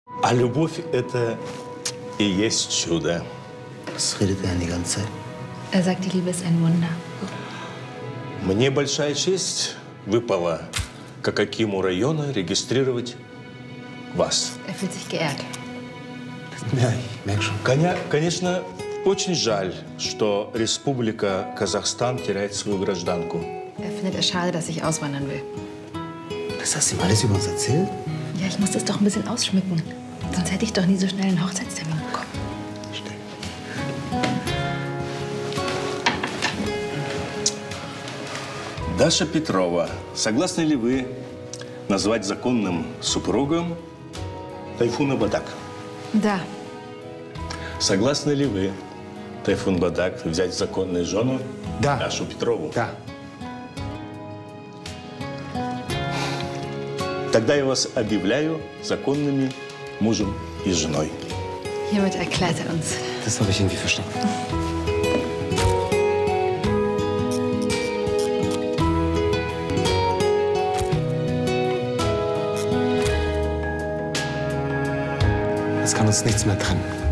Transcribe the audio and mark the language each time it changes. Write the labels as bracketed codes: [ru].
[ru] Любовь – это и есть чудо. [de] Was redet er die ganze Zeit? Er sagt, die Liebe ist ein Wunder. [ru] Мне большая честь выпала, как акиму района, регистрировать вас. [de] Er fühlt sich geehrt. Ja, ich merke schon. [ru] Конечно, очень жаль, что Республика Казахстан теряет свою гражданку. [de] Er findet es schade, dass ich auswandern will. Das hast du ihm alles über uns erzählt? Ja, ich muss das doch ein bisschen ausschmücken. Sonst hätte ich doch nie so schnell einen Hochzeitstermin bekommen. Stell. [ru] Даша Петрова, согласны ли вы назвать законным супругом Тайфуна Бадак? Да. Согласны ли вы, Тайфун Бадак, взять законную жену, да, Дашу Петрову? Да. Тогда я вас объявляю законными мужем и женой. [de] Hiermit erklärt er uns. Das habe ich irgendwie verstanden. Es kann uns nichts mehr trennen.